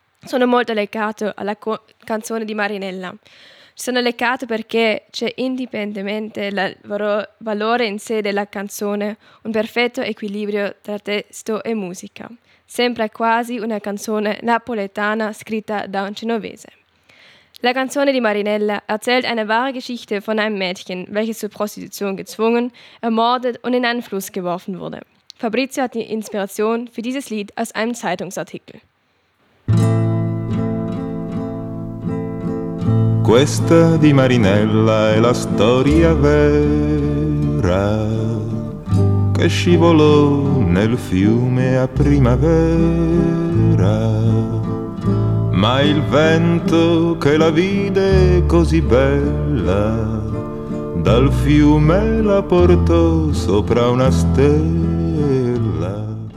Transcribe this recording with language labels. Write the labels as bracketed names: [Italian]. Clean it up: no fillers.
[Italian] Sono molto legato alla canzone di Marinella. Sono legato perché c'è, indipendentemente dal valore in sé della canzone, un perfetto equilibrio tra testo e musica. Sembra quasi una canzone napoletana scritta da un genovese. [German] La canzone di Marinella erzählt eine wahre Geschichte von einem Mädchen, welches zur Prostitution gezwungen, ermordet und in einen Fluss geworfen wurde. Fabrizio hat die Inspiration für dieses Lied aus einem Zeitungsartikel. [Italian] Questa di Marinella è la storia vera che scivolò nel fiume a primavera. Ma il vento che la vide così bella dal fiume la portò sopra una stella.